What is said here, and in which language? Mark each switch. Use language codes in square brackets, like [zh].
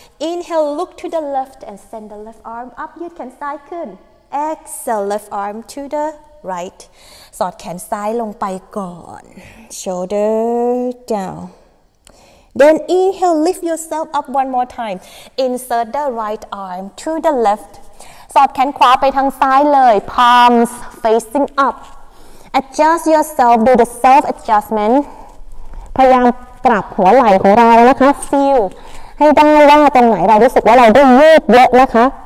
[en] Inhale, look to the left and send the left arm up. [th] ยืดแขนซ้ายขึ้น. [en] Exhale, left arm to the right. [th] สอดแขนซ้ายลงไปก่อน. [en] Shoulder down. Then inhale, lift yourself up one more time. Insert the right arm to the left. [th] สอดแขนขวาไปทางซ้ายเลย [en] Palms facing up. Adjust yourself, do the self adjustment. [th] พยายามปรับหัวไหล่ของเรานะคะ [en] Feel [th] ให้ได้ว่าตรงไหนเรารู้สึกว่าเราได้ยืดเยอะนะคะ